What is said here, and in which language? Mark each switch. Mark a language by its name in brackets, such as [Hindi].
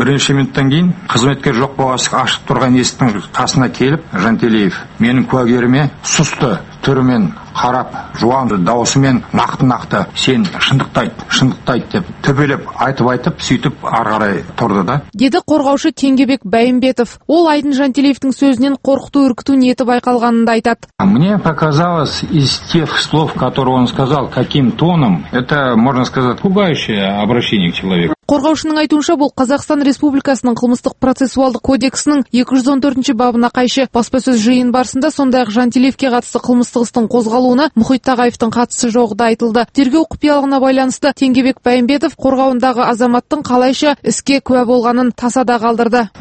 [Kazakh] Бірінші минуттан кейін қызметкер жоқ болғасы ашық тұрған есіктің қасына келіп, Жантелеев, менің куәгеріме сұсты түрімен қарап, жуан дауысымен нақты-нақты сен шындықтайт деп төбелеп айтып сөйтіп ары қарай тұрды да. Деді қорғаушы Теңгебек Бәйімбетов. Ол Айдын Жантелеевтің сөзінен қорқыту үркіту ниеті байқалғанын да айтады. [Russian] Мне показалось из тех слов, которые он сказал, каким тоном, это, можно сказать, пугающее обращение к человеку. [Kazakh] Қорғаушының айтуынша, бұл Қазақстан Республикасының қылмыстық процессуалдық кодексінің 214-ші бабына қайшы. Баспасөз жиын барысында сондай-ақ Жантелеевке қатысты қылмыстық істің қозғалуына Мұхит Тағаевтың қатысы жоғы да айтылды. Тергеу құпиялығына байланысты Теңгебек Бәйімбетов қорғауындағы азаматтың қалайша іске куә болғанын тасада қалдырды.